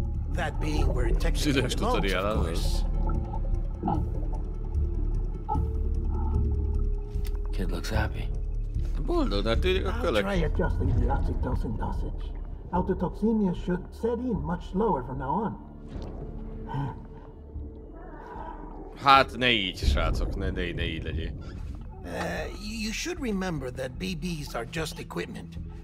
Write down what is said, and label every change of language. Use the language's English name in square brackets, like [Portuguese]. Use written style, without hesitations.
[English] That being where it technically belongs, of course. Kid looks happy. [Hungarian] Boldog, [English] I'll try adjusting the oxytocin dosage. Autotoxemia should set in much slower from now on. [Hungarian] Hát ne így, srácok, ne így legyél. [English] You should remember that BBs are just equipment.